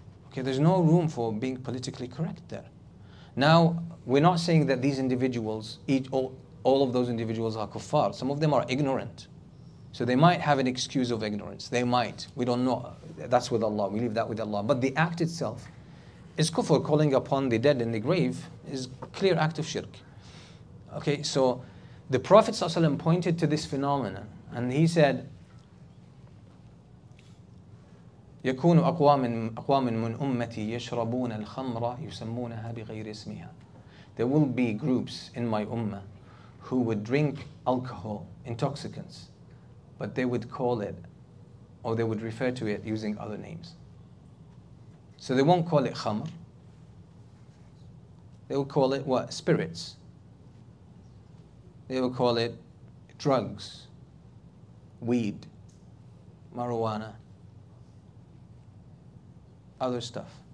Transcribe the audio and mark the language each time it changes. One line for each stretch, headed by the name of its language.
English: Okay, there's no room for being politically correct there. Now, we're not saying that these individuals, all of those individuals are kuffar. Some of them are ignorant. So they might have an excuse of ignorance. They might. We don't know. That's with Allah. We leave that with Allah. But the act itself is kufr. Calling upon the dead in the grave is clear act of shirk. Okay, so the Prophet ﷺ pointed to this phenomenon. And he said,
Arabic: يكون أقوام من أمتي يشربون الخمر يسمونها بغير اسمها.
English: There will be groups in my ummah who would drink alcohol, intoxicants, but they would call it, or they would refer to it using other names. So they won't call it khamr. They will call it what? Spirits. They will call it drugs, weed, marijuana, other stuff.